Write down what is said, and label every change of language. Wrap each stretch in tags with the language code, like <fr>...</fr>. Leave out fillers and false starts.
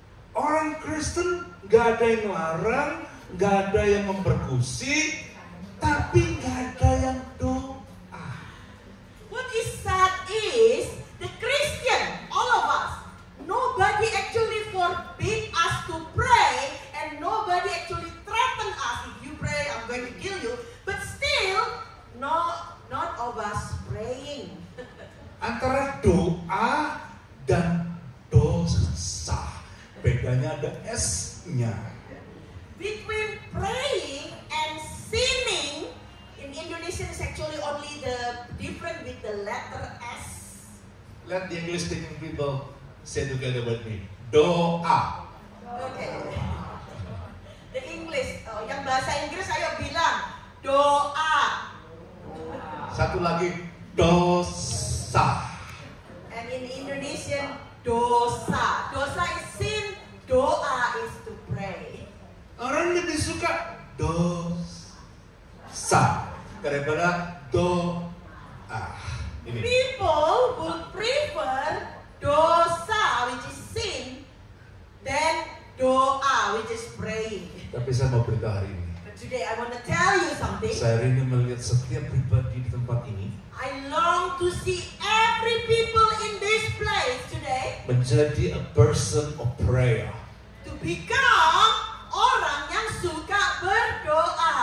<id>Orang Kristen gak ada yang larang, gak ada yang memperkusi, tapi gak ada yang doa.</id> <en>What is sad is the Christian, all of us, nobody actually forbid us to pray and nobody actually threaten us. If you pray, I'm going to kill you. But still, not of us praying.</en> <id>Antara doa dan dosa, bedanya ada S-nya.</id> <en>Between praying and sinning, in Indonesian is actually only the different with the letter S. Let the English speaking people say together with me.</en> <id>Doa.</id> <en>Okay. The English,</en> <id>yang bahasa Inggris ayo bilang doa. Satu lagi, dosa.</id> <en>And in Indonesian, dosa. Dosa is sin, doa is to pray.</en> <id>Orang lebih suka dosa daripada doa. Ini.</id> <en>People would prefer dosa, which is sin, than doa, which is praying.</en> <id>Tapi saya mau berita hari ini.</id> <en>Today I want to tell you something.</en> <id>Saya rindu melihat setiap pribadi di tempat ini.</id> <en>I long to see every people in this place today. Menjadi a person of prayer. To become</en> <id>orang yang suka berdoa.</id>